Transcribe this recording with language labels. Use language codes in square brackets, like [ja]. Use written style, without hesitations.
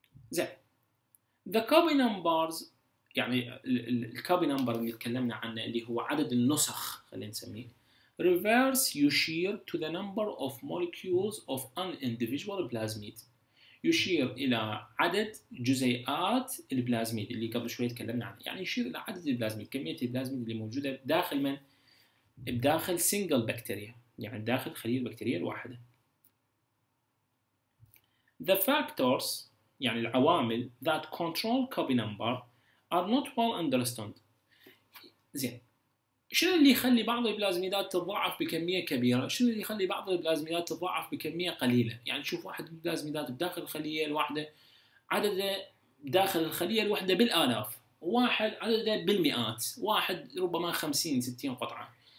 [ar] زين [en] the copy numbers [ar] يعني الكوبي نمبر اللي تكلمنا عنه اللي هو عدد النسخ خلينا نسميه reverse يشير [en] to the number of molecules of an individual plasmid، [ar] يشير الى عدد جزيئات البلازميد اللي قبل شوي تكلمنا عنه، يعني يشير الى عدد البلازميد، كميه البلازميد اللي موجوده داخل من بداخل سنجل بكتيريا يعني داخل خليه البكتيريه الواحده. [en] The factors [ar] يعني العوامل [en] that control copy number are not well understood. [ar] زين شنو اللي يخلي بعض البلازميدات تضاعف بكميه كبيره؟ شنو اللي يخلي بعض البلازميدات تضاعف بكميه قليله؟ يعني تشوف واحد البلازميدات بداخل الخليه الواحده عدده داخل الخليه الواحده بالالاف، واحد عدده بالمئات، واحد ربما 50-60 قطعة.